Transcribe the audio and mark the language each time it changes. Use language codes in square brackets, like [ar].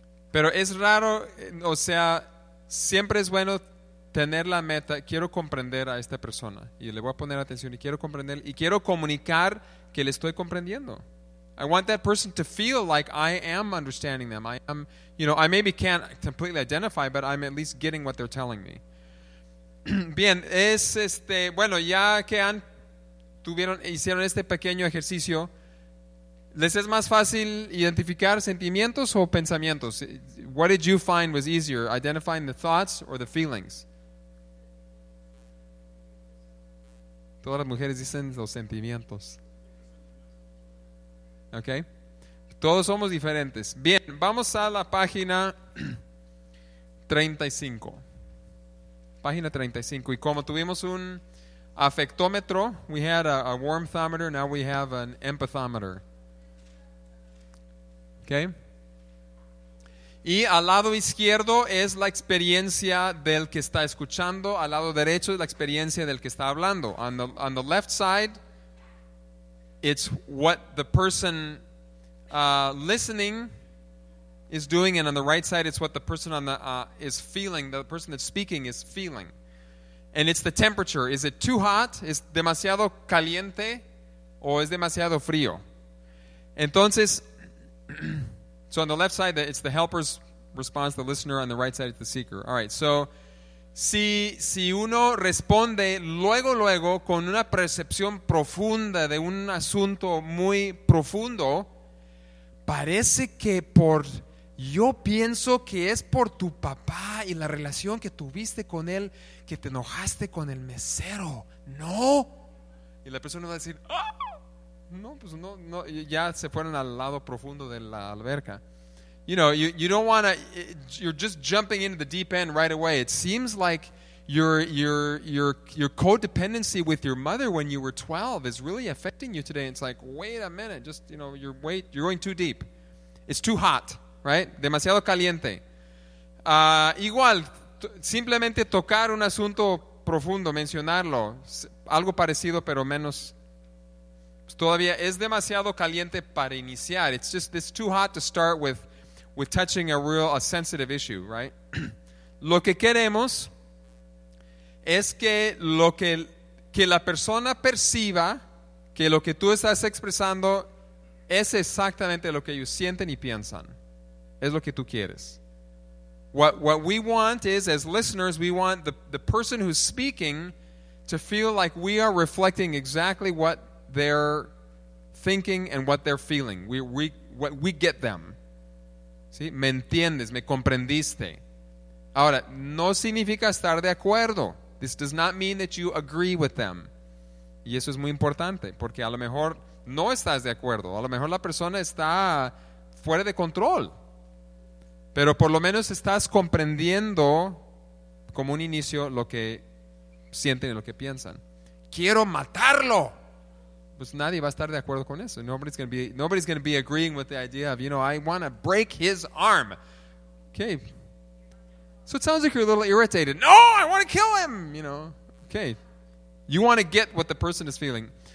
[es] pero es raro, o sea, siempre es bueno tener la meta, quiero comprender a esta persona y le voy a poner atención y quiero comprender y quiero comunicar que le estoy comprendiendo. [en] I want that person to feel like I am understanding them. I am, you know, I maybe can't completely identify, but I'm at least getting what they're telling me. [es] Bien, es este, bueno, ya que han tuvieron hicieron este pequeño ejercicio, ¿les es más fácil identificar sentimientos o pensamientos? [en] What did you find was easier, identifying the thoughts or the feelings? [es] Todas las mujeres dicen los sentimientos. Okay. Todos somos diferentes. Bien, vamos a la página 35. Página 35. Y como tuvimos un afectómetro, [en] we had a warm thermometer, now we have an empathometer. Okay. [es] Y al lado izquierdo es la experiencia del que está escuchando, al lado derecho es la experiencia del que está hablando. [en] On the left side, it's what the person listening is doing, and on the right side, it's what the person on the is feeling, the person that's speaking is feeling. And it's the temperature. Is it too hot? [es] ¿Es demasiado caliente? ¿O es demasiado frío? Entonces, [en] so on the left side, it's the helper's response, the listener, on the right side, it's the seeker. All right, so [es] Si uno responde luego con una percepción profunda de un asunto muy profundo, parece que por yo pienso que es por tu papá y la relación que tuviste con él que te enojaste con el mesero, ¿no? Y la persona va a decir, ¡ah! No, pues no, no, ya se fueron al lado profundo de la alberca. [en] You know, you don't want to, you're just jumping into the deep end right away. It seems like your codependency with your mother when you were 12 is really affecting you today. It's like, wait a minute, just, you know, you're going too deep. It's too hot, right? [es] Demasiado caliente. Igual, simplemente tocar un asunto profundo, mencionarlo, algo parecido pero menos. Todavía es demasiado caliente para iniciar. [en] It's just, it's too hot to start with. With touching a sensitive issue, right? [es] Lo que queremos es que lo que la persona perciba que lo que tú estás expresando es exactamente lo que ellos sienten y piensan. Es lo que tú quieres. [en] What we want is, as listeners, we want the person who's speaking to feel like we are reflecting exactly what they're thinking and what they're feeling. We get them. [es] ¿Sí? Me entiendes, me comprendiste. Ahora, no significa estar de acuerdo. [en] This does not mean that you agree with them. [es] Y eso es muy importante, porque a lo mejor no estás de acuerdo. A lo mejor la persona está fuera de control. Pero por lo menos estás comprendiendo como un inicio lo que sienten y lo que piensan. ¡Quiero matarlo! Pues nadie va a estar de acuerdo con eso. [en] Nobody's going to be agreeing with the idea of, you know, I want to break his arm. Okay. So it sounds like you're a little irritated. No, I want to kill him, you know. Okay. You want to get what the person is feeling.